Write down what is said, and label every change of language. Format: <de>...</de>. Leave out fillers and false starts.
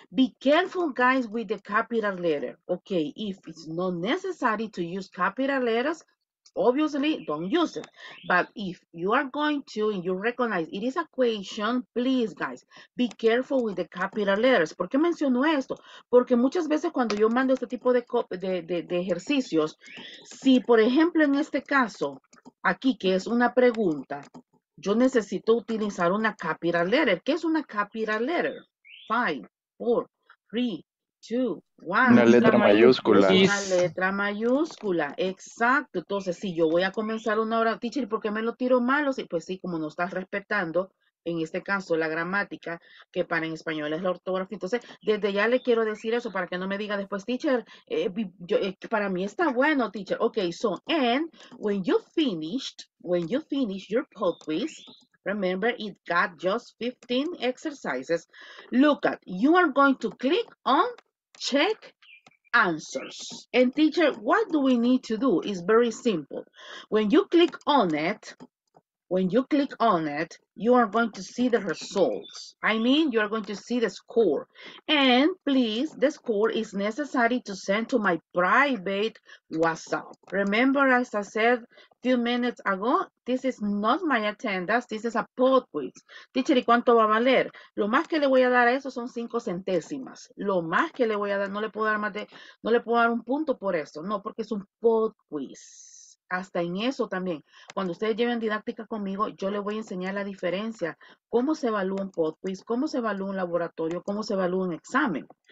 <en>Be careful, guys, with the capital letter. Okay, if it's not necessary to use capital letters, obviously don't use it. But if you are going to and you recognize it is a question, please, guys, be careful with the capital letters.</en> <es>¿Por qué menciono esto? Porque muchas veces cuando yo mando este tipo de ejercicios, si por ejemplo en este caso aquí que es una pregunta, yo necesito utilizar una capital letter. ¿Qué es una capital letter? 5, 4, 3, 2, 1. Una letra mayúscula. Una letra mayúscula, exacto. Entonces, si yo voy a comenzar una hora, teacher, ¿por qué me lo tiro malo? Pues sí, como no estás respetando, en este caso, la gramática, que para en español es la ortografía. Entonces, desde ya le quiero decir eso para que no me diga después, teacher, para mí está bueno, teacher.</es> <en>Okay, so, and when you finished your pub quiz, remember, it got just 15 exercises. Look at, you are going to click on check answers. And teacher, what do we need to do? It's very simple. When you click on it, you are going to see the results. I mean, you are going to see the score. And please, the score is necessary to send to my private WhatsApp. Remember, as I said a few minutes ago, this is not my attendance, this is a pub quiz.</en> <es>Teacher, ¿y cuánto va a valer? Lo más que le voy a dar a eso son 5 centésimas. Lo más que le voy a dar, no le puedo dar más de, no le puedo dar un punto por eso. No, porque es un pub quiz. Hasta en eso también. Cuando ustedes lleven didáctica conmigo, yo les voy a enseñar la diferencia. ¿Cómo se evalúa un pod quiz? ¿Cómo se evalúa un laboratorio? ¿Cómo se evalúa un examen?</es>